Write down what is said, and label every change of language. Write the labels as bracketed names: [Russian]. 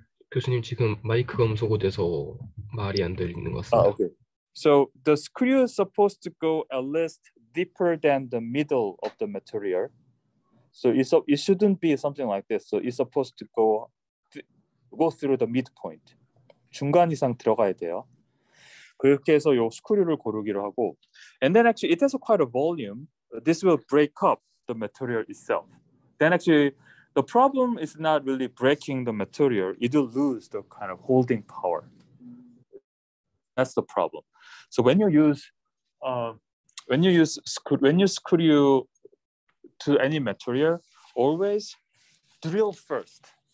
[Korean] 교수님 지금 마이크 검소가 돼서 말이 안 들리는 것 같습니다. [English] 아, okay. So the screw is supposed to go at least deeper than the middle of the material. So it shouldn't be something like this. So it's supposed to go through the midpoint. [Korean] 중간 이상 들어가야 돼요. 그렇게 해서 요 스크류를 고르기로 하고. [English] And then actually it has quite a volume. This will break up the material itself. Then actually the problem is not really breaking the material. It will lose the kind of holding power. That's the problem. So when you use screw to any material, always drill first.